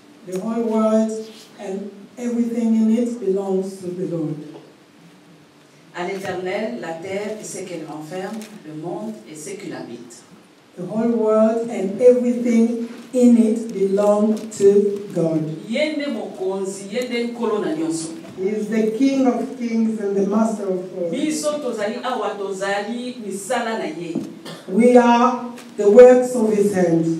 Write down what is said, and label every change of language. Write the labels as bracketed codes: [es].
[en] The whole world and everything in it belongs to the Lord. [fr] À l'Éternel, la terre est ce qu'elle renferme, le monde est ce qu'il habite. [en] The whole world and everything in it belong to God. He is the King of kings and the Master of all. We are the works of His hand.